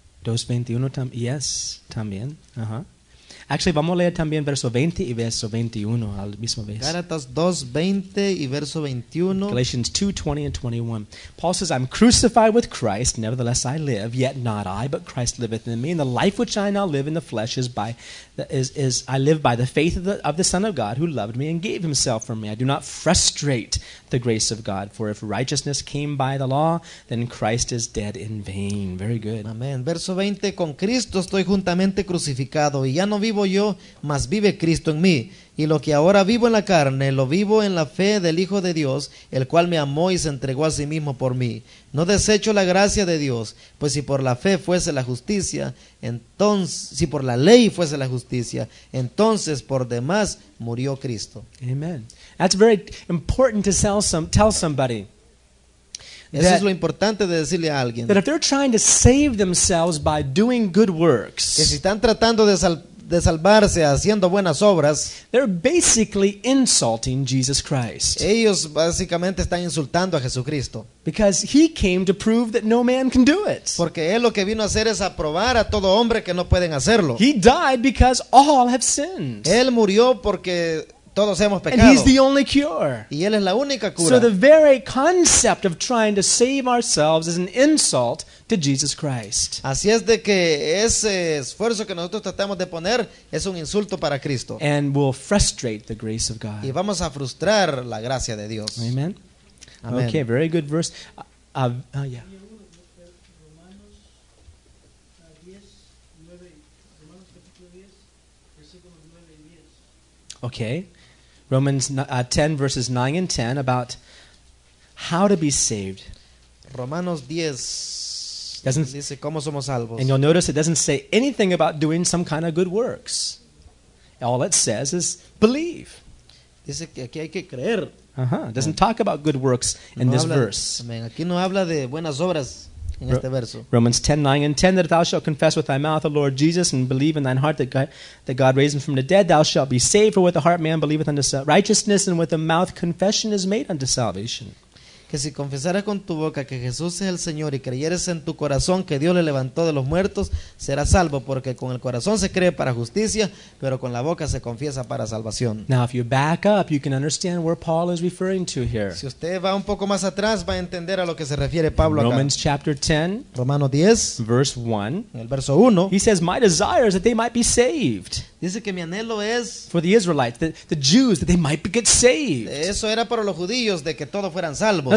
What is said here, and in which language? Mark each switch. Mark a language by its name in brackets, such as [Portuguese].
[Spanish] Yes, también. Uh-huh. Actually, vamos a leer también verso 20 y verso 21 al mismo vez. Gálatas 2, 20 y verso 21. [English] Galatians 2, 20 and 21. Paul says, I'm crucified with Christ, nevertheless I live, yet not I, but Christ liveth in me. And the life which I now live in the flesh I live by the faith of the Son of God who loved me and gave himself for me. I do not frustrate the grace of God, for if righteousness came by the law, then Christ is dead in vain. Very good. [Spanish] Amén. Verso 20, con Cristo estoy juntamente crucificado, y ya no vivo yo, mas vive Cristo en mí. Y lo que ahora vivo en la carne, lo vivo en la fe del Hijo de Dios, el cual me amó y se entregó a sí mismo por mí. No desecho la gracia de Dios, pues si por la fe fuese la justicia, entonces, si por la ley fuese la justicia, entonces por demás murió Cristo. [English] Amen. That's very important to tell somebody. [Spanish] Eso es lo importante de decirle a alguien. [English] That if they're trying to save themselves by doing good works. [Spanish] Que si están tratando de de salvarse haciendo buenas obras, [English] they're basically insulting Jesus Christ. [Spanish] Ellos básicamente están insultando a Jesucristo. [English] Because he came to prove that no man can do it. [Spanish] Porque él lo que vino a hacer es a probar a todo hombre que no pueden hacerlo. [English] He died because all have sinned. [Spanish] Él murió porque todos hemos pecado. [English] And he's the only cure. [Spanish] Y él es la única cura. [English] So the very concept of trying to save ourselves is an insult to Jesus Christ. [Spanish] Así es de que ese esfuerzo que nosotros tratamos de poner es un insulto para Cristo. [English] And will frustrate the grace of God. [Spanish] Y vamos a frustrar la gracia de Dios. [English] Amen. Amen. Okay, very good verse. Yeah. Okay. Romans 10, verses 9 and 10, about how to be saved. [Spanish] Romanos 10 doesn't, dice cómo somos salvos. [English] And you'll notice it doesn't say anything about doing some kind of good works. All it says is believe. [Spanish] Dice que aquí hay que creer. [English] Uh-huh. Doesn't talk about good works in [Spanish] no [English] this [Spanish] habla, [English] verse. Amen. [Spanish] Aquí no habla de buenas obras en este verso. [English] Romans 10, 9 and 10, that if thou shalt confess with thy mouth the Lord Jesus and believe in thine heart that God raised him from the dead, thou shalt be saved. For with the heart man believeth unto righteousness, and with the mouth confession is made unto salvation. [Spanish] Que si confesaras con tu boca que Jesús es el Señor y creyeres en tu corazón que Dios le levantó de los muertos, serás salvo, porque con el corazón se cree para justicia, pero con la boca se confiesa para salvación. [English] Now if you back up, you can understand where Paul is referring to here. [Spanish] Si usted va un poco más atrás, va a entender a lo que se refiere Pablo acá. [English] Romans chapter 10, [Spanish] Romanos 10, [English] verse 1, [Spanish] en el verso 1, [English] he says, my desire is that they might be saved. [Spanish] Dice que mi anhelo es [English] for the Israelites, the Jews, that they might get saved. [Spanish] Eso era para los judíos, de que todos fueran salvos.